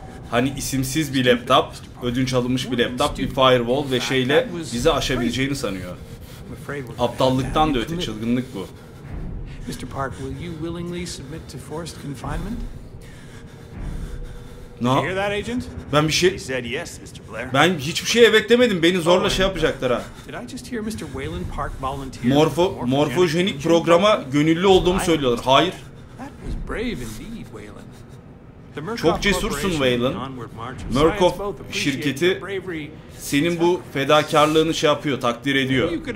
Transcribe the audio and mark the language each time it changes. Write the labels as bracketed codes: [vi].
[tr] Hani isimsiz bir laptop, ödünç alınmış bir laptop, bir firewall ve şeyle bizi aşabileceğini sanıyor. Aptallıktan da öte, çılgınlık bu. [en] Mr. Park, will you willingly submit to forced confinement? No. Did you hear that, agent? [tr] Ben bir şey... [en] He said yes, Mr. Blair. [tr] Ben hiçbir şey evet demedim. Beni zorla şey yapacaklar ha. [en] Did I just hear Mr. Wayland Park volunteer? [tr] Morfojenik programa gönüllü olduğumu söylüyorlar. Hayır. [en] That was brave indeed, Wayland. [tr] Çok cesursun Waylon. Murkoff şirketi senin bu fedakarlığını şey yapıyor, takdir ediyor.